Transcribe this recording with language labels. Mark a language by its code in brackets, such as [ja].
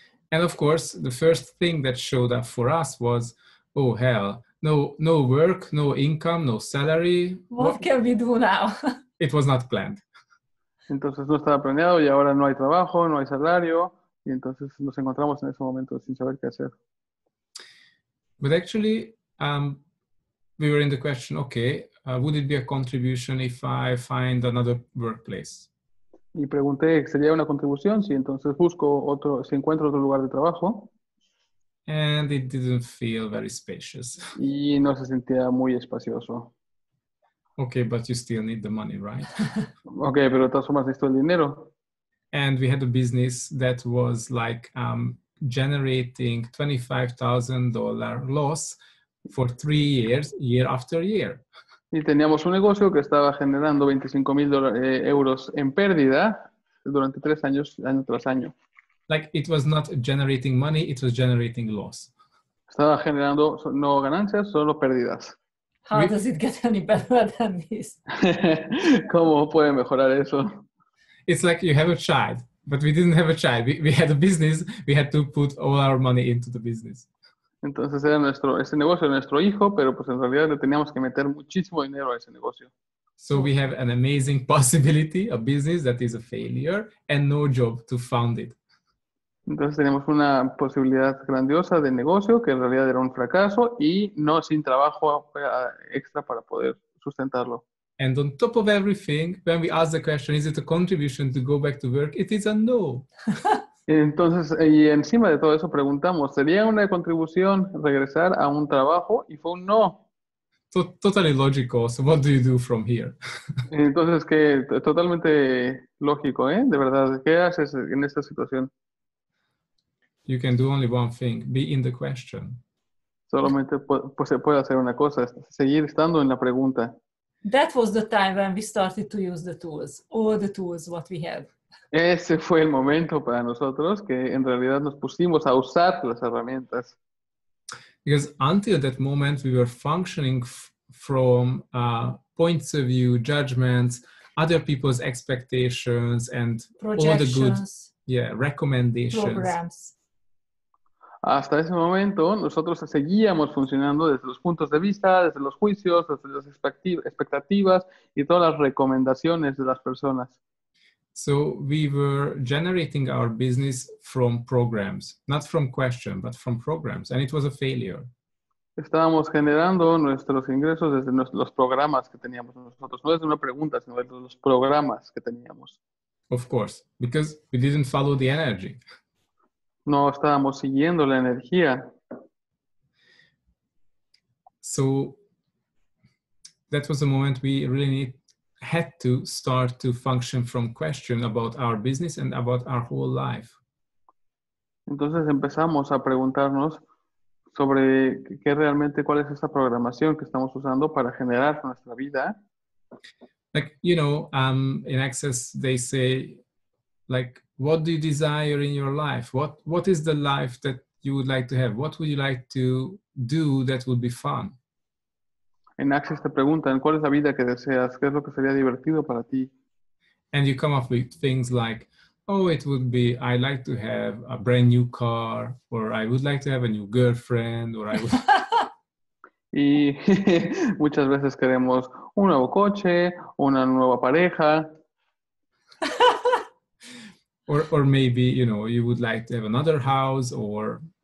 [en] And of course, the first thing that showed up for us was, oh hell, no work, no income, no salary. What can we do now? It was not planned. [es] Entonces no estaba planeado y ahora no hay trabajo, no hay salario. Y entonces nos encontramos en ese momento sin saber qué hacer. [en] But actually, we were in the question, okay, would it be a contribution if I find another workplace? [es] Y pregunté, ¿sería una contribución si entonces busco otro, si encuentro otro lugar de trabajo? [en] And it didn't feel very spacious. [es] Y no se sentía muy espacioso. [en] Okay, but you still need the money, right? [es] Okay, pero de todas formas necesito el dinero. [en] And we had a business that was like generating $25,000 loss for 3 years, year after year. [es] Y teníamos un negocio que estaba generando 25,000 euros en pérdida durante 3 años, año tras año. [en] Like it was not generating money, it was generating loss. [es] Estaba generando no ganancias, solo pérdidas. [en] How does it get any better than this? [es] ¿Cómo puede mejorar eso? [en] It's like you have a child. But we didn't have a child. We had a business. We had to put all our money into the business. [es] Entonces era nuestro ese negocio era nuestro hijo, pero pues en realidad le teníamos que meter muchísimo dinero a ese negocio. [en] So we have an amazing possibility, a business that is a failure and no job to found it. [es] Entonces tenemos una posibilidad grandiosa de negocio que en realidad era un fracaso y no sin trabajo extra para poder sustentarlo. [en] And on top of everything, when we ask the question, is it a contribution to go back to work? It is a no. [es] Entonces, y encima de todo eso preguntamos, ¿sería una contribución regresar a un trabajo? Y fue un no. [en] Totally logical. So what do you do from here? [es] Entonces, que totalmente lógico, ¿eh? De verdad, ¿qué haces en esta situación? [en] You can do only one thing, be in the question. [es] Solamente pues se puede hacer una cosa, seguir estando en la pregunta. [en] That was the time when we started to use the tools, all the tools what we have. [es] Ese fue el momento para nosotros que en realidad nos pusimos a usar las herramientas. [en] Because until that moment we were functioning from points of view, judgments, other people's expectations and all the good recommendations. Programs. [es] Hasta ese momento nosotros seguíamos funcionando desde los puntos de vista, desde los juicios, desde las expectativas y todas las recomendaciones de las personas. [en] So we were generating our business from programs, not from question, but from programs, and it was a failure. [es] Estábamos generando nuestros ingresos desde los programas que teníamos nosotros, no desde una pregunta, sino desde los programas que teníamos. [en] Of course, because we didn't follow the energy. [es] No estábamos siguiendo la energía. [en] So that was the moment we really had to start to function from question about our business and about our whole life. [es] Entonces empezamos a preguntarnos sobre qué realmente cuál es esa programación que estamos usando para generar nuestra vida. [en] Like, you know, in Access they say, like, what do you desire in your life? What is the life that you would like to have? What would you like to do that would be fun? [es] En Access te preguntan, ¿cuál es la vida que deseas? ¿Qué es lo que sería divertido para ti? [en] And you come up with things like, oh, it would be, I like to have a brand new car, or I would like to have a new girlfriend, or I would... [es] Y muchas veces queremos un nuevo coche, una nueva pareja. [en] Or maybe, you know, you would like to have another house or...